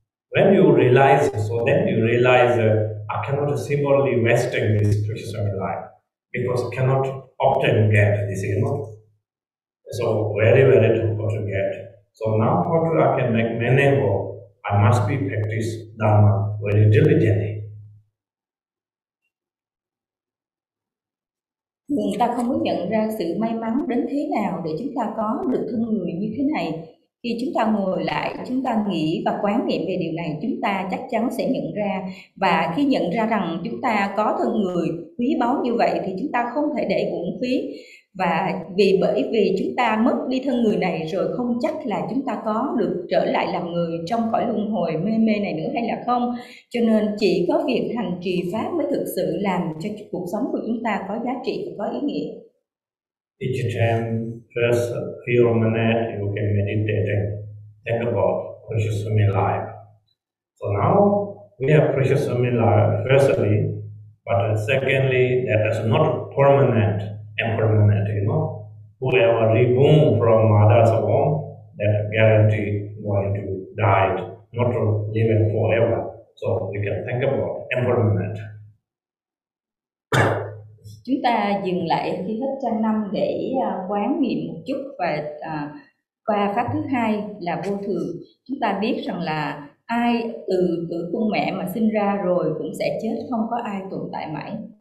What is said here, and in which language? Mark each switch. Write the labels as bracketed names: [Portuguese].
[English] When you realize, so then you realize that I cannot simply wasting this precious life because I cannot obtain get this, you know. So very, very difficult to get. So now what I can make meaningful, I must be practice Dharma very diligently. [Vietnamese] Chúng ta không có nhận ra sự may mắn đến thế nào để chúng ta có được thân người như thế này. Khi chúng ta ngồi lại, chúng ta nghĩ và quán niệm về điều này, chúng ta chắc chắn sẽ nhận ra. Và khi nhận ra rằng chúng ta có thân người quý báu như vậy thì chúng ta không thể để uổng phí. Và bởi vì chúng ta mất đi thân người này rồi, không chắc là chúng ta có được trở lại làm người trong cõi luân hồi mê mê này nữa hay là không. Cho nên chỉ có việc hành trì pháp mới thực sự làm cho cuộc sống của chúng ta có giá trị, có ý nghĩa. [English] Each time, just a few minutes, you can meditate and think about precious human life. So now, we have precious human life firstly, but secondly, that is not permanent. Impermanent, you know, whoever reborn from mother's womb, that guarantee going to die, not to live forever. So we can think about impermanent. [Vietnamese] Chúng ta dừng lại khi hết trang năm để quán niệm một chút về qua pháp thứ hai là vô thường. Chúng ta biết rằng là ai từ tử cung mẹ mà sinh ra rồi cũng sẽ chết, không có ai tồn tại mãi.